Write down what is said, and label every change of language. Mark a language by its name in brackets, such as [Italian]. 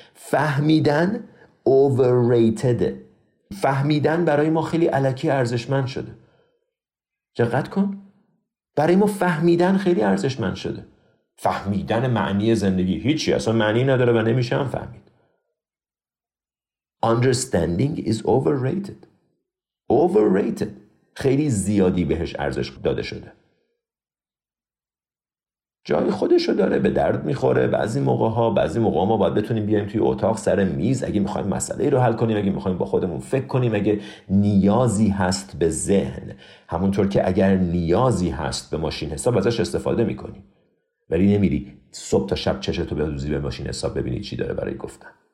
[Persian] فهمیدن [English] overrated. [Persian] فهمیدن برای ما خیلی الکی ارزشمند شده. دقت کن، برای ما فهمیدن خیلی ارزشمند شده. فهمیدن معنی زندگی هیچی، اصلا معنی نداره و نمیشه هم فهمید. [English] Understanding is overrated. Overrated. [Persian] خیلی زیادی بهش ارزش داده شده. جای خودشو داره، به درد میخوره بعضی موقع ها. بعضی موقع ما باید بتونیم بیایم توی اتاق سر میز، اگه میخوایم مسئله رو حل کنیم، اگه میخوایم با خودمون فکر کنیم، اگه نیازی هست به ذهن، همونطور که اگر نیازی هست به ماشین حساب ازش استفاده میکنی، ولی نمیری صبح تا شب چشتو به روزی به ماشین حساب ببینی چی داره برای گفتن.